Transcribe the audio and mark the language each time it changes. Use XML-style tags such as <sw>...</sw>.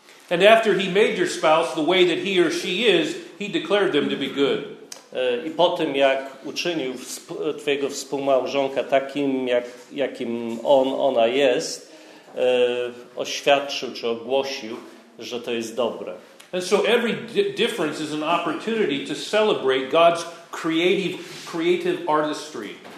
<en>And after he made your spouse the way that he or she is, he declared them to be good.</en> <pl>I po tym, jak uczynił twojego współmałżonka takim, jakim on, ona jest, oświadczył czy ogłosił, że to jest dobre.</pl> <en>And so every difference is an opportunity to celebrate God's creative artistry.</en>